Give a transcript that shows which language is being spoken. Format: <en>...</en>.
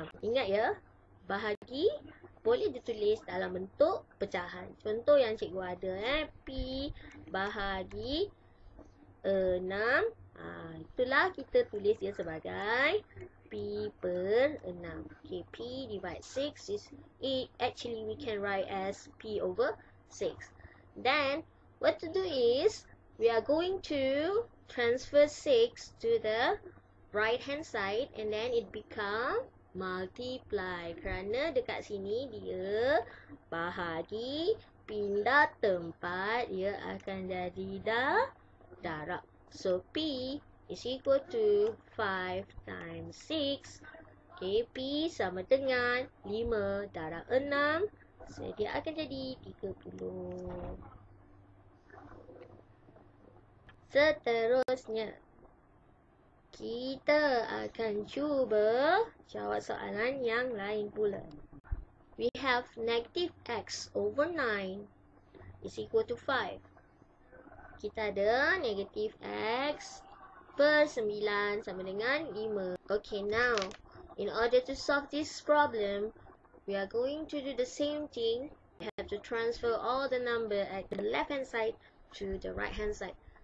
<ms>Ingat ya, bahagi boleh ditulis dalam bentuk pecahan. Contoh yang cikgu ada eh, P bahagi 6. Ha, itulah kita tulis dia sebagai P per 6.</ms> <en>Okay, P divide 6 is, it actually we can write as P over 6. Then, what to do is, we are going to transfer 6 to the right hand side and then it become multiply.</en> <ms>Kerana dekat sini dia bahagi, pindah tempat, dia akan jadi dah darab.</ms> <en>So, P is equal to 5 times 6.</en> <ms>Okay, P sama dengan 5 darab 6. So, dia akan jadi 30. Seterusnya, kita akan cuba jawab soalan yang lain pula.</ms> <en>We have negative x over 9 is equal to 5.</en> <ms>Kita ada negatif x per 9 sama dengan 5.</ms> <en>Okay, now, in order to solve this problem, we are going to do the same thing. We have to transfer all the number at the left-hand side to the right-hand side.</en>